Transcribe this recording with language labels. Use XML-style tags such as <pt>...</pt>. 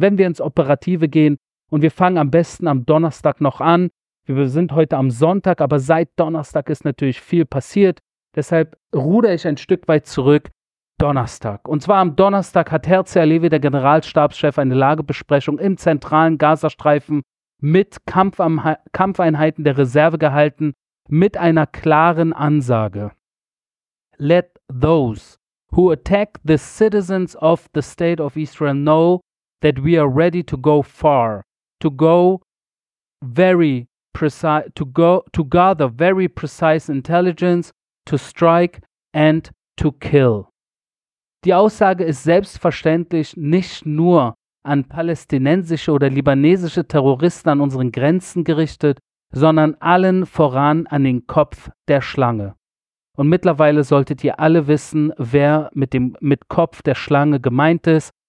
<de>Wenn wir ins Operative gehen und wir fangen am besten am Donnerstag noch an, wir sind heute am Sonntag, aber seit Donnerstag ist natürlich viel passiert, deshalb rudere ich ein Stück weit zurück. Donnerstag. Und zwar am Donnerstag hat Herzi Halevi, der Generalstabschef, eine Lagebesprechung im zentralen Gazastreifen mit Kampfeinheiten der Reserve gehalten, mit einer klaren Ansage.</de> <en>Let those who attack the citizens of the state of Israel know that we are ready to go far, to go very precise, to gather very precise intelligence, to strike and to kill.</en> <de>Die Aussage ist selbstverständlich nicht nur an palästinensische oder libanesische Terroristen an unseren Grenzen gerichtet, sondern allen voran an den Kopf der Schlange. Und mittlerweile solltet ihr alle wissen, wer mit Kopf der Schlange gemeint ist.</de>